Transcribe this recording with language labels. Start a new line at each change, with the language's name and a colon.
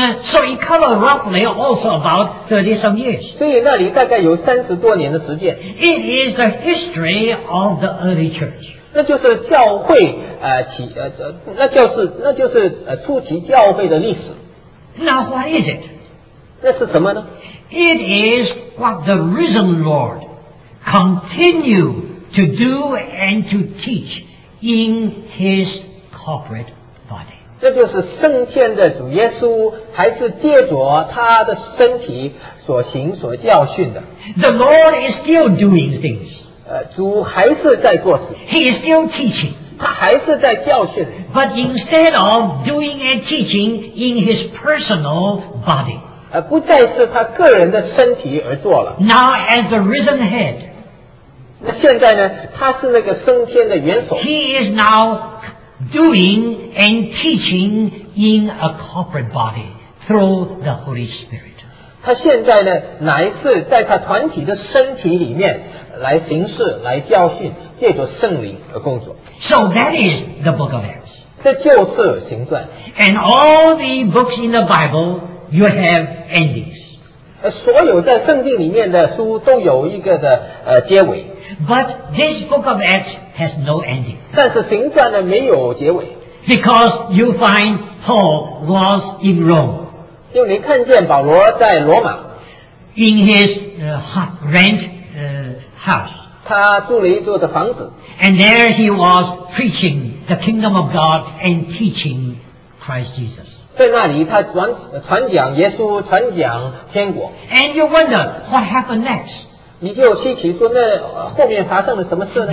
English: so it covered roughly also about 30 some years.
Chinese: 所以那里大概有三十多年的时间
English: It is the history of the early church.
Chinese: 那就是教会初期教会的历史。
English: Now what is it?
Chinese: 那是什么呢？
English: It is what the risen Lord continued to do and to teach in His corporate body.
Chinese: 这就是圣天的主耶稣还是借着他的身体所行所教训的。
English: The Lord is still doing things.
Chinese: 主还是在做事。
English: He is still teaching.
Chinese: 他还是在教训。
English: But instead of doing and teaching in His personal body.
Chinese: 不再是他个人的身体而做了。
English: Now as the risen head,
Chinese: 那现在呢？他是那个升天的元首。
English: He is now doing and teaching in a corporate body through the Holy Spirit.
Chinese: 他现在呢，乃是在他团体的身体里面来行事、来教训，借着圣灵而工作。
English: So that is the Book of Acts.
Chinese: 这就是行传。
English: And all the books in the Bible. You have endings.
Chinese: 所有在圣经里面的书都有一个的结尾。
English: But this book of Acts has no ending.
Chinese: 但是行传呢没有结尾。
English: Because you find Paul was in Rome.
Chinese: 就你看见保罗在罗马。
English: In his rent house.
Chinese: 他住了一座的房子。
English: And there he was preaching the kingdom of God and teaching Christ Jesus.
Chinese: 在那里他传讲耶稣传讲天国
English: And you wonder what happened next
Chinese: 你就稀奇说那后面发生了什么事呢